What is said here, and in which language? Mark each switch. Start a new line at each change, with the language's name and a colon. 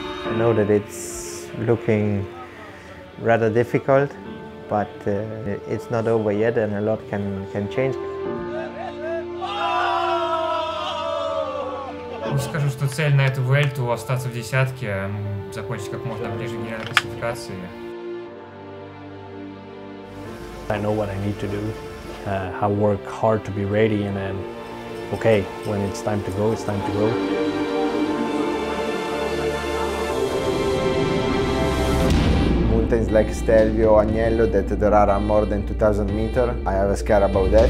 English: I know that it's looking rather difficult, but it's not over yet and a lot can change.
Russian: Скажу, что цель на эту Вуэльту — остаться в десятке, закончить как можно ближе к генеральной классификации.
English: I know what I need to do, how work hard to be ready, and then, okay, when it's time to go, it's time to go. Mountains like Stelvio, Agnello, that there are more than 2,000 meters, I have a scare about that.